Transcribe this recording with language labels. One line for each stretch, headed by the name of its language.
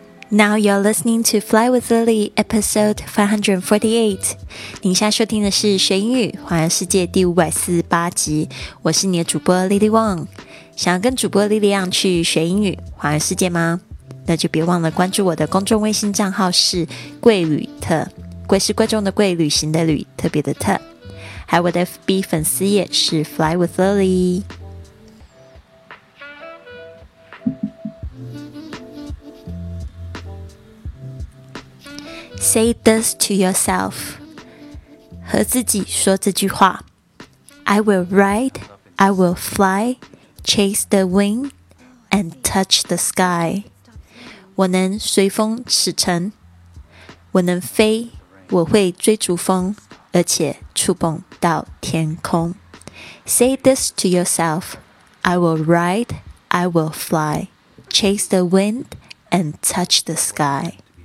English: Now you're listening to Fly with Lily, episode 548.
Chinese: 您现在收听的是学英语环游世界第548集。我是你的主播 Lily Wang。想要跟主播 Lily Wang 去学英语环游世界吗？那就别忘了关注我的公众微信账号是贵旅特，贵是贵重的贵，旅行的旅，特别的特。还有我的 FB 粉丝页是 Fly with Lily。
English: Say this to yourself.
Chinese: 和自己说这句话。
English: I will ride, I will fly, chase the wind, and touch the sky.
Chinese: 我能随风驰骋。我能飞，我会追逐风，而且触碰到天空。
English: Say this to yourself. I will ride, I will fly, chase the wind, and touch the sky.